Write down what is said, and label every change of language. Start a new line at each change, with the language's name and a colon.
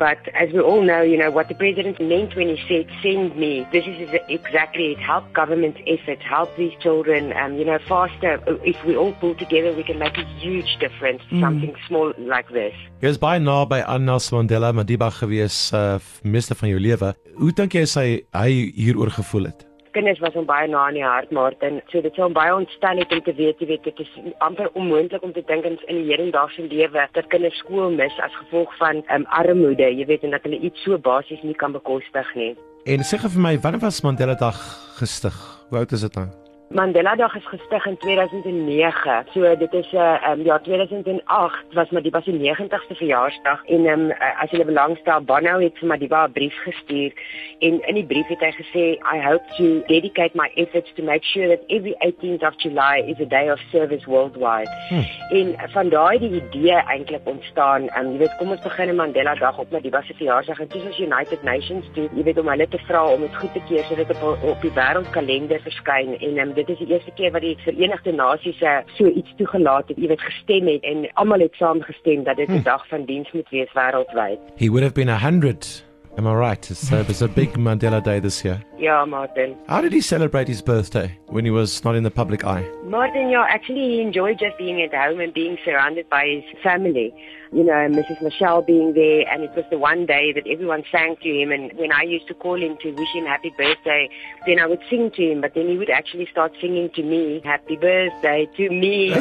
English: But as we all know, you know, what the president meant when he said, send me, this is exactly it. Help government effort, help these children, you know, faster. If we all pull together, we can make a huge difference to something small like this.
Afrikaans: Jy is baie na by Nelson Mandela Madiba gewees, meester van jou lewe. Hoe dink jy sy hy hieroor gevoel het? Kinders was hom baie na in die hart, Martin. So dit sou hom baie ontstel het om te weet, jy weet, dit is amper onmoontlik om te dink in die hedendaagse lewe dat kinders skool mis as gevolg van armoede, jy weet, en dat hulle iets so basies nie kan bekostig nie. En sê vir my, wanneer was Mandela Dag gestig? Hoe oud is dit nou? Mandela Dag is gestig in 2009, so dit is, 2008 was Madiba sy 90ste verjaarsdag, en as jy belangstel, Bono het vir Madiba 'n brief gestuur, en in die brief het hy gesê,
English: I hope to dedicate my efforts to make sure that every 18th of July is a day of service worldwide.
Afrikaans: En van daai die idee eintlik ontstaan, jy weet, kom ons begin in Mandela Dag op Madiba sy verjaarsdag, en toes ons United Nations toe, jy weet, om hulle te vra om het goed te keer, so dat het op die wêreldkalender verskyn, en dit is die eerste keer wat die Verenigde Nasies so iets toegelaat het, jy weet, gestem het en almal het saam gestem dat dit 'n dag van diens moet wees wêreldwyd.
English: He would have been 100, am I right? So it's a big Mandela Day this year.
Afrikaans: Ja, Martin.
English: How did he celebrate his birthday when he was not in the public eye? Martin, yeah, actually he enjoyed just being at home and being surrounded by his family. you know, Mrs. Michelle being there, and it was the one day that everyone sang to him, and when I used to call him to wish him happy birthday, then I would sing to him, but then he would actually start singing to me, happy birthday to me.